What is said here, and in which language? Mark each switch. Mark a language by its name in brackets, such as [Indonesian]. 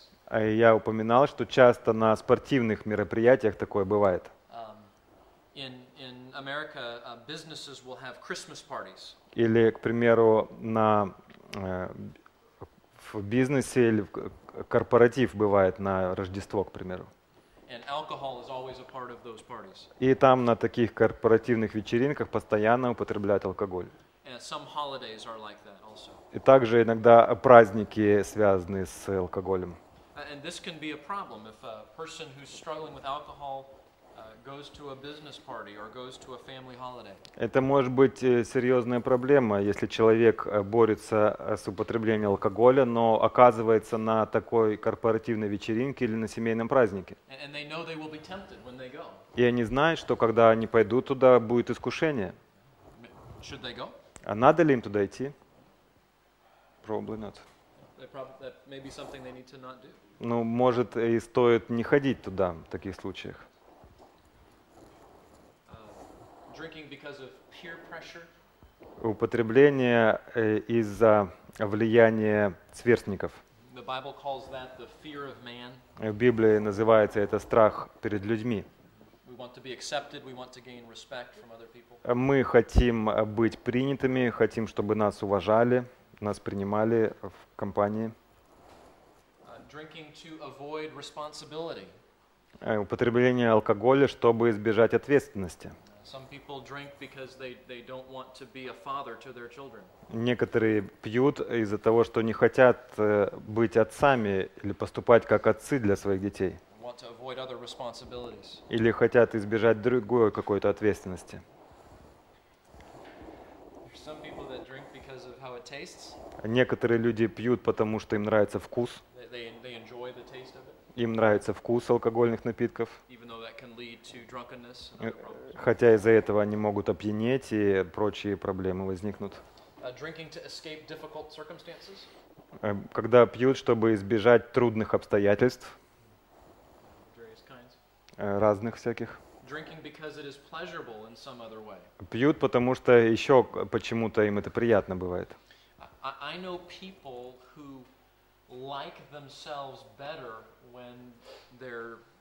[Russian] Я упоминал, что часто на спортивных мероприятиях такое бывает. [English] In America, businesses will have Christmas parties. [Russian] Или, к примеру, на в бизнесе или в корпоратив бывает на Рождество, к примеру. [English] And alcohol is always a part of those parties. [Russian] И там на таких корпоративных вечеринках постоянно употребляют алкоголь. [English] And some holidays are like that also. [Russian] И также иногда праздники связаны с алкоголем. [English] And this can be a problem if a person who's struggling with alcohol goes to a business party or goes to a family holiday. [Russian] Это может быть серьезная проблема, если человек борется с употреблением алкоголя, но оказывается на такой корпоративной вечеринке или на семейном празднике. [English] And they know they will be tempted when they go. [Russian] И они знают, что когда они пойдут туда, будет искушение. [English] Should they go? [Russian] А надо ли им туда идти? [English] Probably not. That may be something they need to not do. [Russian] Ну, может, и стоит не ходить туда в таких случаях. [English] Drinking because of peer pressure. [Russian] Употребление из-за влияния сверстников. [English] The Bible calls that the fear of man. [Russian] В Библии называется это страх перед людьми. [English] We want to be accepted, we want to gain respect from other people. [Russian] Мы хотим быть принятыми, хотим, чтобы нас уважали, нас принимали в компании. [English] Drinking to avoid responsibility. [Russian] Употребление алкоголя, чтобы избежать ответственности. [English] Some people drink because they don't want to be a father to their children. [Russian] Некоторые пьют из-за того, что не хотят быть отцами или поступать как отцы для своих детей. [English] Want to avoid other responsibilities. [Russian] Или хотят избежать другой какой-то ответственности. [English] Some people that drink because of how it tastes. [Russian] Некоторые люди пьют потому, что им нравится вкус. [English] They enjoy the taste of it. [Russian] Им нравится вкус алкогольных напитков. [English] Even though that can lead to drunkenness and other problems. [Russian] Хотя из-за этого они могут опьянеть и прочие проблемы возникнут. [English] Drinking to escape difficult circumstances. [Russian] Когда пьют, чтобы избежать трудных обстоятельств. [English] Various kinds. [Russian] Разных всяких. [English] Drinking because it is pleasurable in some other way. [Russian] Пьют, потому что еще почему-то им это приятно бывает. [English] I know people who like themselves better when they're